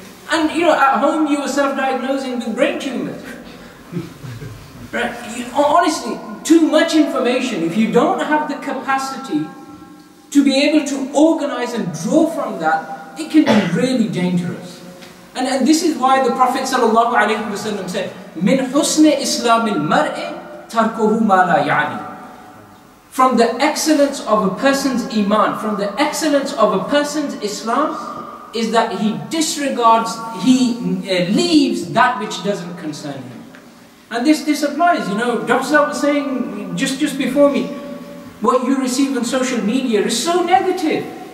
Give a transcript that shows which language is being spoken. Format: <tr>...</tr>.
<en>And you know, at home you were self-diagnosing with brain tumors. Right? You, honestly, too much information. If you don't have the capacity to be able to organize and draw from that, it can be really dangerous. And this is why the Prophet ﷺ said,</en> <ar>مِنْ حُسْنِ إِسْلَامِ الْمَرْءِ تَرْكُهُ مَا لَا يَعْنِي.</ar> <en>From the excellence of a person's iman, from the excellence of a person's Islam, is that he disregards, he leaves that which doesn't concern him. And this applies, you know, Dr. was saying just before me, what you receive on social media is so negative.</en>